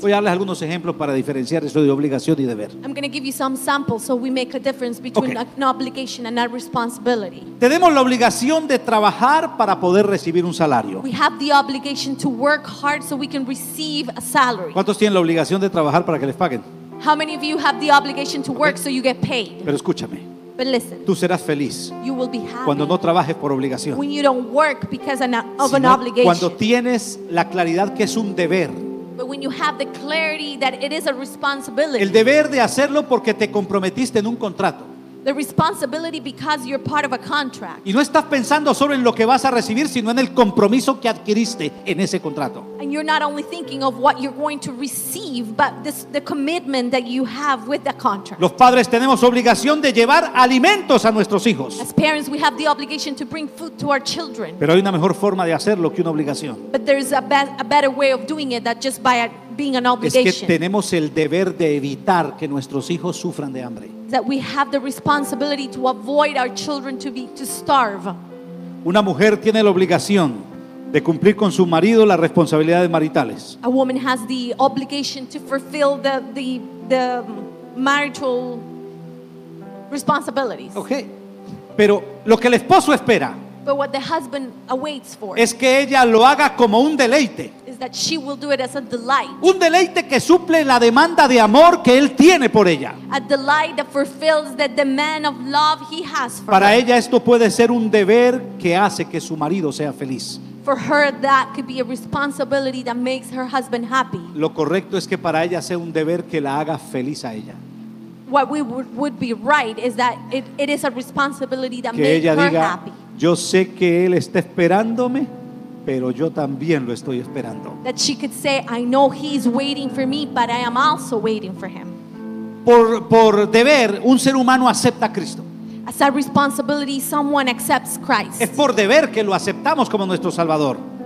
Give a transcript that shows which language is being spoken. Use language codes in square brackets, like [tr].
[es] Voy a darles algunos ejemplos para diferenciar eso de obligación y deber. [en] I'm going to give you some samples so we make a difference between okay. An obligation and a responsibility. [es] Tenemos la obligación de trabajar para poder recibir un salario. [en] We have the obligation to work hard so we can receive a salary. [es] ¿Cuántos tienen la obligación de trabajar para que les paguen? [en] How many of you have the obligation to okay. Work so you get paid? [es] Pero escúchame. [en] But listen. [es] Tú serás feliz. [en] You will be happy. [es] Cuando no trabajes por obligación. [en] When you don't work because of an obligation. [es] Cuando tienes la claridad que es un deber. [en] But when you have the clarity that it is a responsibility. [es] El deber de hacerlo porque te comprometiste en un contrato. [en] The responsibility because you're part of a contract. [es] Y no estás pensando solo en lo que vas a recibir, sino en el compromiso que adquiriste en ese contrato. [en] And you're not only thinking of what you're going to receive, but the commitment that you have with the contract. [es] Los padres tenemos obligación de llevar alimentos a nuestros hijos. [en] As parents, we have the obligation to bring food to our children. [es] Pero hay una mejor forma de hacerlo que una obligación. [en] But there's a better way of doing it than just by being an obligation. [es] Es que tenemos el deber de evitar que nuestros hijos sufran de hambre. [en] That we have the responsibility to avoid our children to starve. [es] Una mujer tiene la obligación de cumplir con su marido las responsabilidades maritales. [en] A woman has the obligation to fulfill the marital responsibilities. [es] Okay. Pero lo que el esposo espera [en] but what the husband awaits for [es] es que ella lo haga como un deleite. [en] Is that she will do it as a delight. [es] Un deleite que suple la demanda de amor que él tiene por ella. [en] A delight that fulfills the demand of love he has for [es] Para [en] her. [es] Ella esto puede ser un deber que hace que su marido sea feliz. [en] For her, that could be a responsibility that makes her husband happy. [es] Lo correcto es que para ella sea un deber que la haga feliz a ella. [en] What we would be right is that it is a responsibility that [es] que [en] makes [es] ella [en] her [es] diga, [en] happy. [es] Yo sé que él está esperándome, pero yo también lo estoy esperando. [en] That she could say, I know he's waiting for me, but I am also waiting for him. [es] Por deber, un ser humano acepta a Cristo. [en] As a responsibility, someone accepts Christ. [es] Es por deber que lo aceptamos como nuestro Salvador.